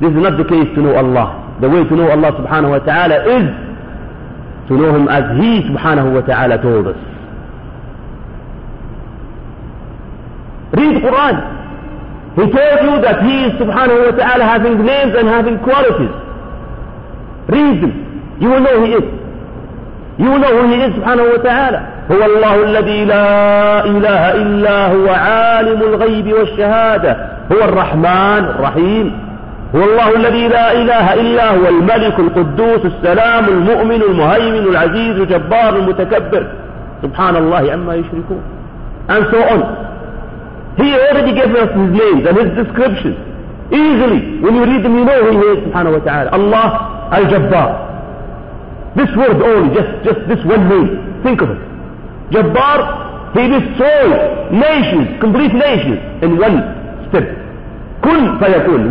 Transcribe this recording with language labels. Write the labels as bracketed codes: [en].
[en] This is not the case to know Allah. The way to know Allah subhanahu wa ta'ala is to know Him as He subhanahu wa ta'ala told us. Read Quran. He told you that He is subhanahu wa ta'ala having names and having qualities. Read them. You will know who He is. You will know who He is subhanahu wa ta'ala. [ar] هو الله الذي لا إله إلا هو عالم الغيب والشهادة. هو الرحمن الرحيم. هو الله الذي لا إله إلا هو الملك القدوس السلام المؤمن المهيمن العزيز الجبار المتكبر. سبحان الله عما يشركون. [en] And so on. He already gave us His names and His descriptions. Easily, when you read them, you know who He is, subhanahu wa ta'ala. Allah al-Jabbar. This word only, just this one name. Think of it. Jabbar, He destroyed nations, complete nations, in one step. Kun fayakun.